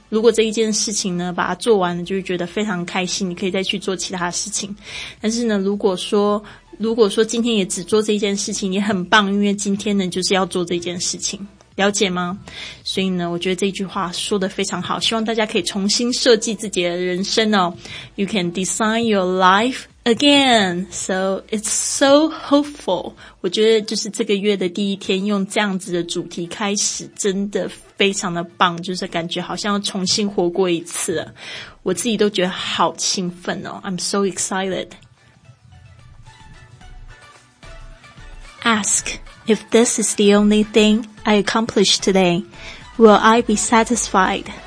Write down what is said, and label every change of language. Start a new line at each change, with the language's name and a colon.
Chinese: 如果这一件事情呢把它做完了，就会觉得非常开心，你可以再去做其他的事情。但是呢如果说今天也只做这一件事情也很棒，因为今天呢就是要做这件事情，了解吗？所以呢我觉得这句话说得非常好，希望大家可以重新设计自己的人生哦。
English: You can design your life again, so it's so hopeful.
Chinese: 我觉得就是这个月的第一天用这样子的主题开始真的非常的棒，就是感觉好像要重新活过一次了，我自己都觉得好兴奋哦。 I'm so excited. AskIf this is the only thing I accomplished today, will I be satisfied?